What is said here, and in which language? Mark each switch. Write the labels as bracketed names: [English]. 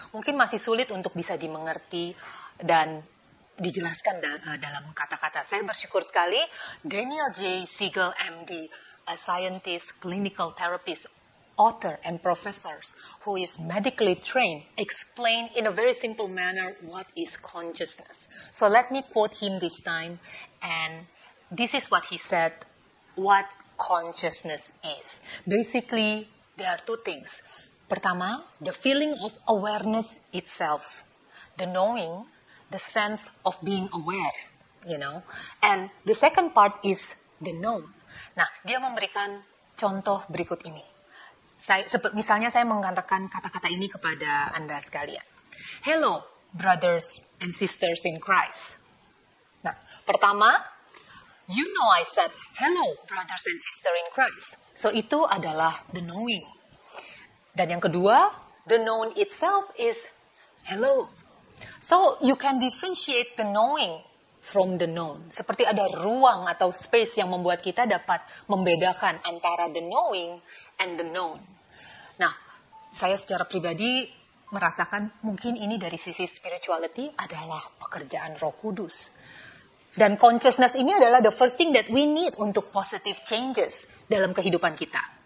[Indonesian] Mungkin masih sulit untuk bisa dimengerti dan dijelaskan dalam kata-kata. Saya bersyukur sekali Daniel J. [English] Siegel, MD, a scientist, clinical therapist, author and professor who is medically trained, explain in a very simple manner what is consciousness. So let me quote him this time, and this is what he said, what consciousness is. Basically, there are 2 things. [Indonesian] Pertama, [English] the feeling of awareness itself. The knowing, the sense of being aware, you know. And the second part is the known. [Indonesian] Nah, dia memberikan contoh berikut ini. Misalnya saya mengatakan kata-kata ini kepada Anda sekalian. [English] Hello, brothers and sisters in Christ. [Indonesian] Nah, pertama, [English] you know I said, hello, brothers and sisters in Christ. [Indonesian] So, itu adalah [English] the knowing. [Indonesian] Dan yang kedua, [English] the known itself is hello. So, you can differentiate the knowing from the known. [Indonesian] Seperti ada ruang atau space yang membuat kita dapat membedakan antara [English] the knowing and the known. [Indonesian] Nah, saya secara pribadi merasakan mungkin ini dari sisi spirituality adalah pekerjaan Roh Kudus. Dan [English] consciousness [Indonesian] ini adalah [English] the first thing that we need [Indonesian] untuk [English] positive changes [Indonesian] dalam kehidupan kita.